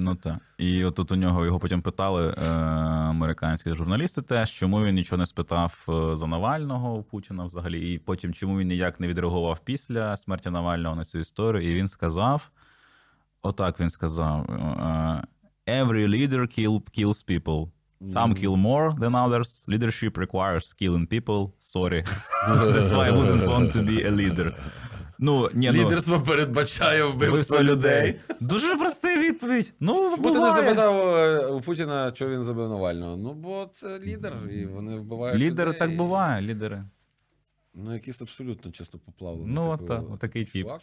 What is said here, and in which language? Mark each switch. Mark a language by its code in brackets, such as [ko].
[uk] Ну так, і от тут у нього, його потім питали американські журналісти теж, чому він нічого не спитав за Навального у Путіна взагалі, і потім, чому він ніяк не відреагував після смерті Навального на цю історію, і він сказав, отак він сказав, [en] «Every leader kills people». Some kill more than others. Leadership requires killing people. Sorry. That's why I wouldn't want to be a leader. [uk] Ну, ні, лідерство ну, передбачає вбивство людей. Дуже проста відповідь. Ну, Путін не запитав у Путіна, чого він забив Навального. Ну, бо це лідер, і вони вбивають лідери людей. Лідери так буває, лідери. Ну, якийсь абсолютно чисто поплавлений. Ну, от такий чувак. Тип.